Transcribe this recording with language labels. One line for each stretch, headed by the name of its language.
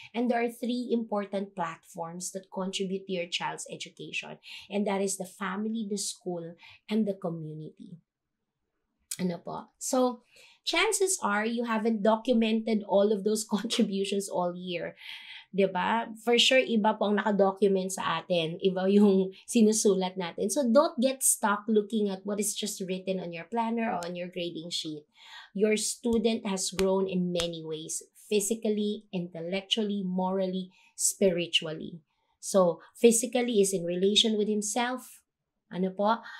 English: And there are 3 important platforms that contribute to your child's education. And that is the family, the school, and the community.
Filipino: Ano po?
English: So, chances are you haven't documented all of those contributions all year.
Filipino: Diba? For sure, iba po ang nakadocument sa atin. Iba yung sinusulat natin.
English: So don't get stuck looking at what is just written on your planner or on your grading sheet. Your student has grown in many ways. Physically, intellectually, morally, spiritually. So physically is in relation with himself.
Filipino: Ano po?